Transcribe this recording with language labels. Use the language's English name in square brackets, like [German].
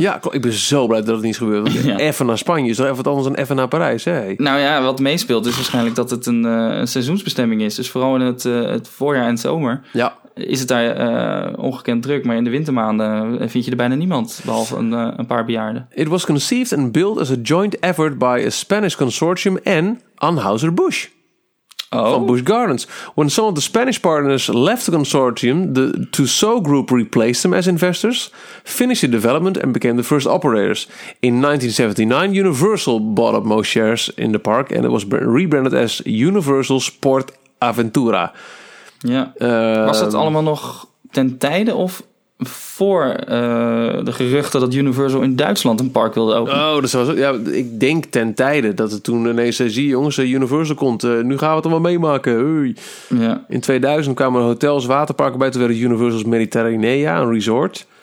[Dutch] Ja, ik ben zo blij dat het niet is gebeurd. Even naar Spanje, zo even wat anders dan even naar Parijs. Hè? Nou ja, wat meespeelt is waarschijnlijk dat het een seizoensbestemming is. Dus vooral in het voorjaar en zomer. Ja. Is het daar ongekend druk, maar in de wintermaanden vind je er bijna niemand, behalve een paar bejaarden. [English] It was conceived and built as a joint effort by a Spanish consortium and Anheuser-Busch. oh. [Dutch] van Busch Gardens. [English] When some of the Spanish partners left the consortium, the Tussaud Group replaced them as investors, finished the development and became the first operators. In 1979, Universal bought up most shares in the park and it was rebranded as Universal Sport Aventura. [Dutch] Ja. Was dat allemaal nog ten tijde of voor de geruchten dat Universal in Duitsland een park wilde openen? Oh, dat was, ja, ik denk ten tijde dat het toen ineens zei, jongens, Universal komt, nu gaan we het allemaal meemaken. Ja. In 2000 kwamen hotels, waterparken bij, toen werden Universal's Mediterranea, een resort.